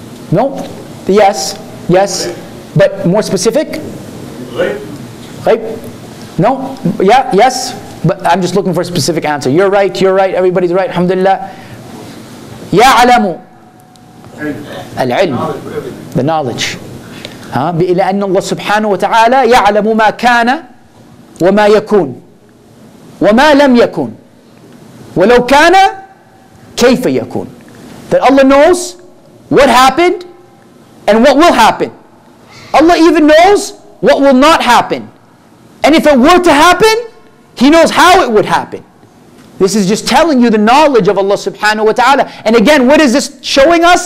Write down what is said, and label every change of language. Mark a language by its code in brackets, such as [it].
[en] No? Yes. Yes. But more specific? Ghaib. No? Yeah? Yes? But I'm just looking for a specific answer. You're right. You're right. Everybody's right. Alhamdulillah. [ar] يَعْلَمُ العلم, the knowledge. بإلى أن الله سبحانه وتعالى يعلم ما كان وما يكون وما لم يكون ولو كان كيف يكون. [en] That Allah knows what happened and what will happen. Allah even knows what will not happen. And if it were to happen, He knows how it would happen. This is just telling you the knowledge of Allah subhanahu wa ta'ala. And again, what is this showing us?